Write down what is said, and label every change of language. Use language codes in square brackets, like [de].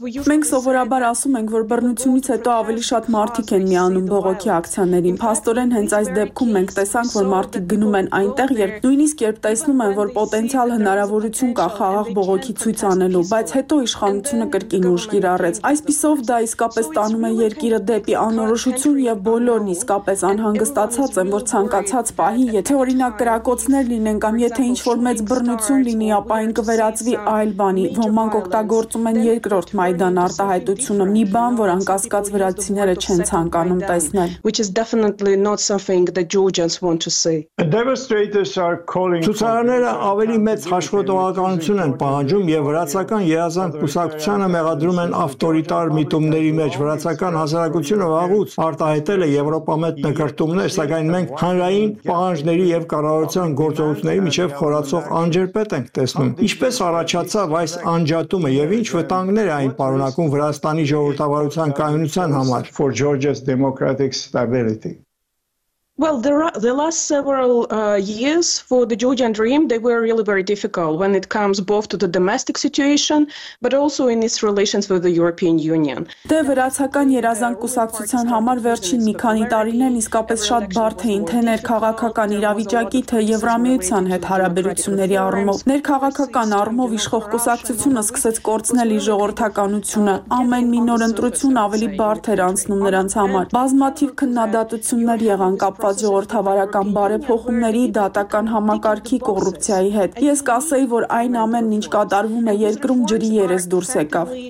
[hy] Մենք սովորաբար ասում ենք, որ բռնությունից հետո ավելի շատ մարդիկ են միանում բողոքի ակցիաներին։ Փաստորեն հենց այս դեպքում մենք տեսանք, որ մարդիկ գնում են այնտեղ, երբ նույնիսկ երբ տեսնում են, որ պոտենցիալ հնարավորություն կա խաղաղ բողոքի ցույց անելու, բայց հետո իշխանությունը կրկին ուժ կիրառեց։ Այսպիսով դա իսկապես տանում է երկիրը դեպի անորոշություն եւ բոլորն իսկապես անհանգստացած են, որ ցանկացած պահի, եթե օրինակ կրակոցներ լինեն կամ եթե ինչ-որ մեծ բռնություն լինի, ապա այն կվերածվի այլ բանի։ Ոմանք օգտագործում են երկրորդ Մայդան արտահայտությունը, մի բան, որ անկասկած վրացիները չեն ցանկանում տեսնել։ [en] Which is definitely not something that Georgians want to see. Demonstrators are calling. [hy] Ցուցարարները ավելի մեծ հաշվետվականություն են պահանջում եւ վրացական երազանք կուսակցությանը մեղադրում են ավտորիտար միտումների մեջ։ Վրացական հասարակությունը վաղուց արտահայտել է եվրոպամետ նկարտումներ, սակայն մենք հանրային պահանջների եւ կառավարության գործողությունների միջև ցող անջերպետ ենք տեսնում։ Ինչպես առաջացավ այս անջատումը եւ ինչ վտանգներ է այն պարունակում Վրաստանի ժողովրդավարության կայունության համար։ [en] For Georgia's democratic stability. Well, the last several years for the Georgian dream, they were really very difficult when it comes both to the domestic situation, but also in its relations with the European Union. [hy] Դե վրացական երազան կուսակցության համար վերջին մի քանի տարիներ իսկապես շատ բարդ էին, թե ներքաղաքական իրավիճակի, թե Եվրամիության հետ հարաբերությունների առումով։ Ներքաղաքական առումով իշխող կուսակցությունը սկսեց կորցնել իր ժողովրդականությունը, ամեն մի նոր ընտրություն ավելի բարդ էր անցնում նրանց համար։ Բազմաթիվ քննադատություններ եղան բաց ժողովրդավարական բարեփոխումների, դատական համակարգի, կոռուպցիայի հետ։ Ես կասեի, որ այն ամենն, ինչ կատարվում է երկրում, ջրի երես դուրս եկավ։